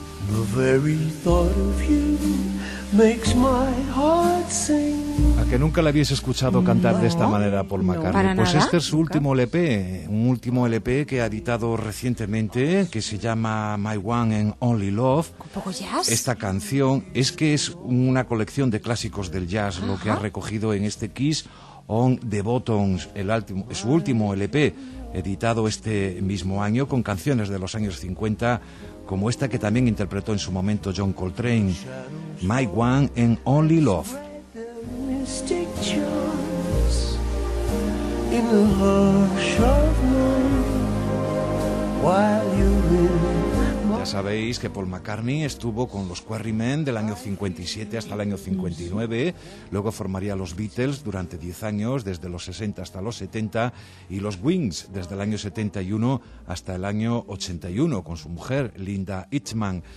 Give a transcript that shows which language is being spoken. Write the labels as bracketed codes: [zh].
[en] The very thought of you makes my heart sing. [es] Que nunca la habías escuchado cantar de esta manera a Paul McCartney. No, pues nada. Este es su último LP, un último LP que ha editado recientemente, que se llama My One and Only Love. ¿Un poco jazz? Esta canción es que es una colección de clásicos del jazz, lo que ha recogido en este Kiss on the Buttons, su último LP, editado este mismo año, con canciones de los años 50, como esta que también interpretó en su momento John Coltrane, My One and Only Love. [en] Mystic chords in the hush of night while you live. [es] Ya sabéis que Paul McCartney estuvo con los Quarrymen del año 57 hasta el año 59, luego formaría los Beatles durante 10 años, desde los 60 hasta los 70, y los Wings desde el año 71 hasta el año 81, con su mujer Linda Eastman.